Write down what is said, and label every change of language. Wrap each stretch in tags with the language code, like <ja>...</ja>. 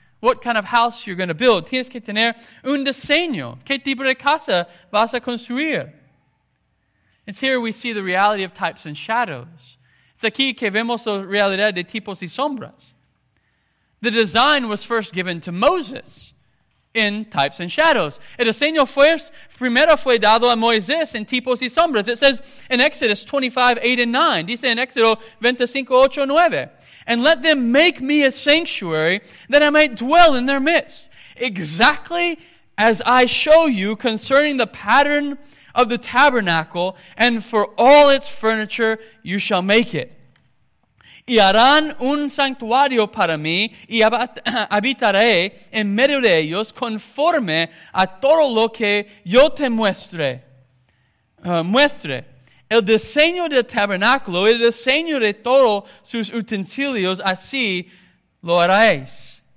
<en>What kind of house you're going to build.</en> <es>Tienes que tener un diseño. ¿Qué tipo de casa vas a construir?</es> <en>It's here we see the reality of types and shadows. It's</en> <es>aquí que vemos la realidad de tipos y sombras.</es> <en>The design was first given to Moses in types and shadows.</en> <es>El diseño primero fue dado a Moisés en tipos y sombras. It says in Exodus 25, 8 and 9. Dice en Éxodo 25, 8 and 9.</es> <en>And let them make me a sanctuary that I might dwell in their midst. Exactly as I show you concerning the pattern of the tabernacle, and for all its furniture, you shall make it.</en> <es>Y harán un santuario para mí, y habitaré en medio de ellos conforme a todo lo que yo te muestre. El diseño del tabernáculo, el diseño de todos sus utensilios, así lo haréis.</es>